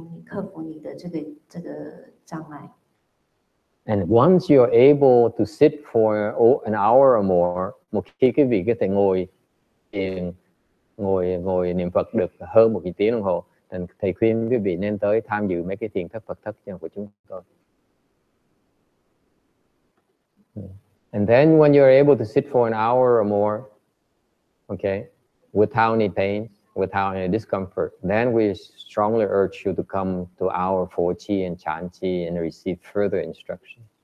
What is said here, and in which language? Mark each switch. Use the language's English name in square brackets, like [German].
[Chinese] 当你遇到困难的话，你可以打电话给我们，email我们，或者是联络我们。那我们会指导你，帮助你，解除你，克服你的这个障碍。 [English] And once you are able to sit for an hour or more, [Vietnamese] một khi quý vị có thể ngồi niệm Phật được hơn một tiếng đồng hồ, thì thầy khuyên quý vị nên tới tham dự mấy cái thiền thất Phật thất của chúng tôi. [English] And then when you are able to sit for an hour or more, okay, without any pain, without any discomfort, then we strongly urge you to come to our Pho Chi and Chan Chi and receive further instruction.